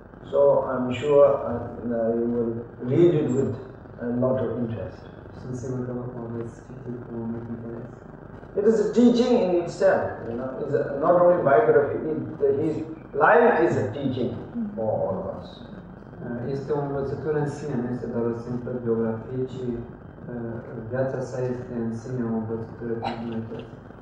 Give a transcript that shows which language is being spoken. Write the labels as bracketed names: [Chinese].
[English] So I'm sure you will read it with a lot of interest. [Romanian] Sunt sigur că vă veți citi cu mult interes. [English] It is a teaching in itself, you know, it's not only biography, his life is a teaching for all of us. [Romanian] Este o învățătură în sine, nu este doar o simplă biografie, ci viața sa este în sine o învățătură pentru noi toți.